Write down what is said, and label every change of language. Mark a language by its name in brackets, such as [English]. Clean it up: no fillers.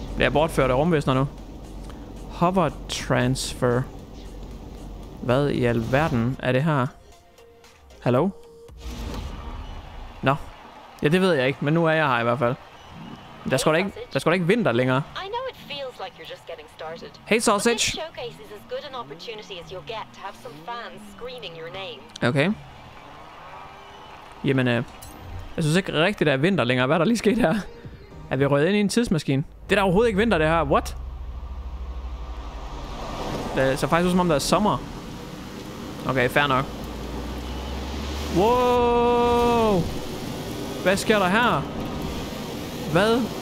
[Danish] Bliver jeg bortført af rumvæsner nu? [English] Hover transfer. [Danish] Hvad i alverden er det her? Hallo? Nå. Ja, det ved jeg ikke, men nu er jeg her i hvert fald. Der er sgu da ikke vinter længere. [English] Like you're just getting started. Hey sausage. This showcase is as good an opportunity as you'll get to have some fans screaming your name. Okay. [Danish] Jamen, jeg synes ikke rigtigt, der er vinter længere. Hvad er der lige sket her? Er vi røget ind i en tidsmaskine? Det er der overhovedet ikke vinter, det her. What? Det ser faktisk ud, som om der er sommer. Okay, fair nok. Wow! Hvad sker der her? Hvad?